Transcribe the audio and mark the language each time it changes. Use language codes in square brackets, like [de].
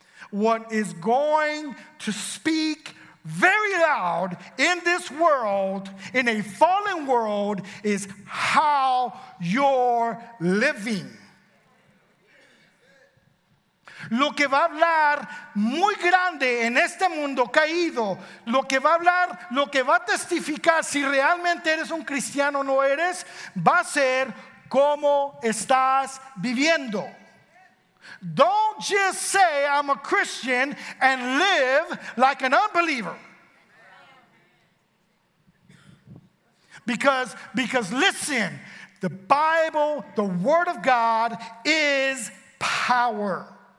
[en] What is going to speak very loud in this world, in a fallen world, is how you're living. [es] Lo que va a hablar muy grande en este mundo caído, lo que va a hablar, lo que va a testificar si realmente eres un cristiano o no eres, va a ser ¿cómo estás viviendo? [en] Don't just say I'm a Christian and live like an unbeliever. Because listen, the Bible, the Word of God is power.